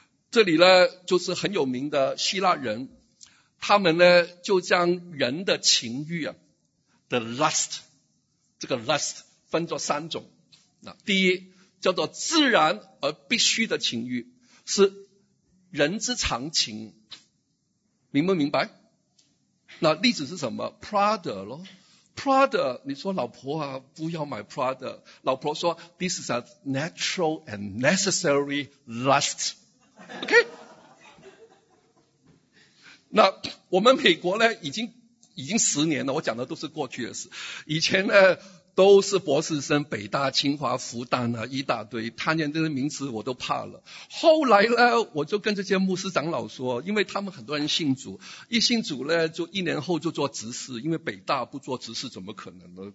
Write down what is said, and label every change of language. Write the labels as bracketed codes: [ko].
[zh] 这里呢就是很有名的希腊人，他们呢就将人的情欲啊 [en] the lust， [zh] 这个 lust 分作三种。第一叫做自然而必须的情欲，是人之常情，明不明白？那例子是什么？ Prada 咯， Prada， 你说老婆啊不要买 Prada， 老婆说 [en] this is a natural and necessary lust。 [zh] OK，那我们美国呢，已经十年了，我讲的都是过去的事。以前呢，都是博士生，北大、清华、复旦啊，一大堆，他念这些名字我都怕了。后来呢，我就跟这些牧师长老说，因为他们很多人信主，一信主呢，就一年后就做执事，因为北大不做执事怎么可能呢？